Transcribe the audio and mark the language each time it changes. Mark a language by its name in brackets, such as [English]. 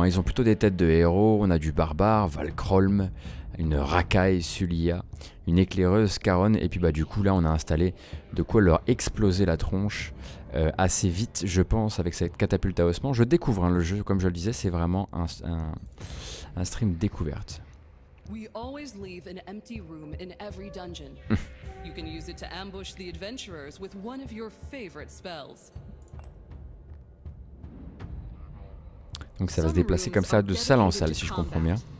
[French] Hein. Ils ont plutôt des têtes de héros. On a du barbare, Valkrolm, une racaille, Sulia, une éclaireuse, Caron. Et puis, bah, du coup, là, on a installé de quoi leur exploser la tronche assez vite, je pense, avec cette catapulte à ossements. Je découvre hein, le jeu. Comme je le disais, c'est vraiment un stream découverte. [English] We always leave an empty room in every dungeon. You can use it to ambush the adventurers with one of your favorite spells. [French] Donc ça va se déplacer comme ça de salle en salle, si je comprends bien.